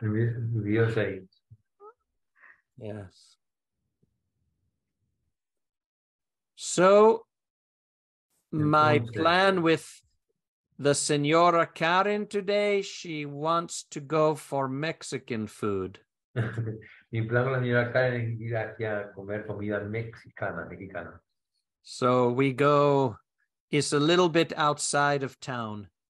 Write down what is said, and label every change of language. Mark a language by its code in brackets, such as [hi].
[en] The video's there. Yes. So, my plan with the Senora Karen today, she wants to go for Mexican food. [es] Mi plan con la señora Karen es ir hacia comer comida mexicana. [en] So we go, it's a little bit outside of town.